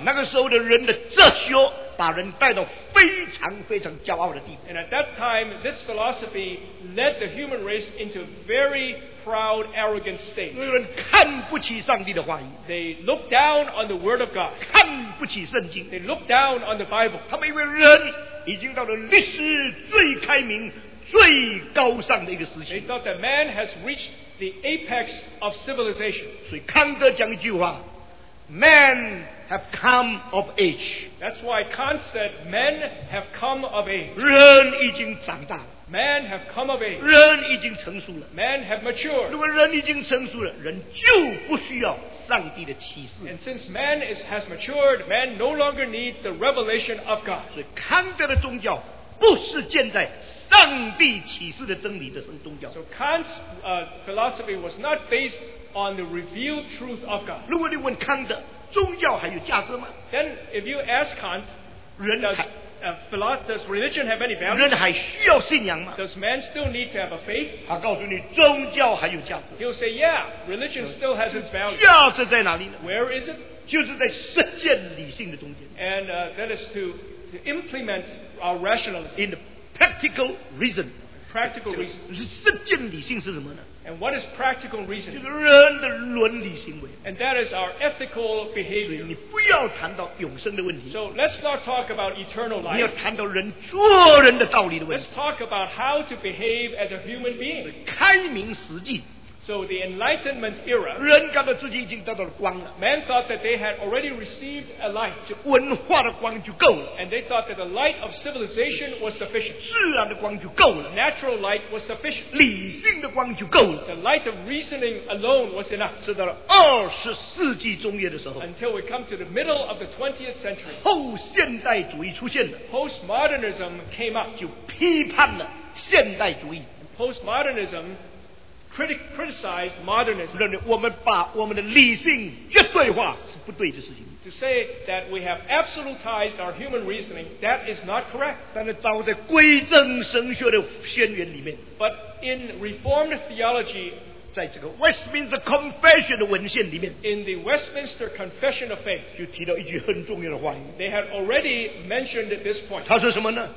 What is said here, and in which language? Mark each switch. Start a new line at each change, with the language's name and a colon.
Chinese: 那个时候的人的哲学把人带到非常非常骄傲的地步。
English: And at that time, this philosophy led the human race into very proud, arrogant state.
Chinese: 有人看不起上帝的话语。
English: They looked down on the word of God.
Chinese: 看不起圣经。
English: They looked down on the Bible.
Chinese: 他们以为人已经到了历史最开明、最高尚的一个时期。
English: They thought that man has reached the apex of civilization.
Chinese: 所以康德讲一句话。
English: Men have come of age. That's why Kant said men have come of age.
Chinese: 人已经长大了。
English: Men have come of age.
Chinese: 人已经成熟了。
English: Men have matured.
Chinese: 如果人已经成熟了，人就不需要上帝的启示。
English: And since man has matured, man no longer needs the revelation of God.
Chinese: 所以康德的宗教不是建在上帝启示的真理的宗教。
English: So Kant's philosophy was not based on the revealed truth of God.
Chinese: 如果你问康德，宗教还有价值吗？
English: Then if you ask Kant,
Chinese: 人还
English: does religion have any value?
Chinese: 人还需要信仰吗？
English: Does man still need to have a faith?
Chinese: 他告诉你，宗教还有价值。
English: He'll say, yeah, religion still has its value.
Chinese: 价值在哪里呢？
English: Where is it?
Chinese: 就是在实践理性的中间。
English: And that is to implement our rationalism. In the practical reason. Practical reason.
Chinese: 实践理性是什么呢？
English: And what is practical reason?
Chinese: 就是人的伦理行为。
English: And that is our ethical behavior.
Chinese: 所以你不要谈到永生的问题。
English: So let's not talk about eternal life.
Chinese: 你要谈到人做人的道理的问题。
English: Let's talk about how to behave as a human being.
Chinese: 开明实际。
English: So the Enlightenment era.
Chinese: 人感到自己已经得到了光了。
English: Man thought that they had already received a light.
Chinese: 就文化的光就够了。
English: And they thought that the light of civilization was sufficient.
Chinese: 自然的光就够了。
English: Natural light was sufficient.
Chinese: 理性的光就够了。
English: The light of reasoning alone was enough.
Chinese: 直到了二十世纪中叶的时候。
English: Until we come to the middle of the 20th century.
Chinese: 后现代主义出现了。
English: Postmodernism came up.
Chinese: 就批判了现代主义。
English: Postmodernism. criticized modernism.
Chinese: 认为我们把我们的理性绝对化是不对的事情。
English: To say that we have absolutized our human reasoning, that is not correct.
Chinese: 但是倒在归正神学的宣言里面。
English: But in Reformed theology,
Chinese: 在这个 Westminster Confession 的文献里面
English: in the Westminster Confession of Faith
Chinese: 就提到一句很重要的话语
English: they had already mentioned at this point
Chinese: 他说什么呢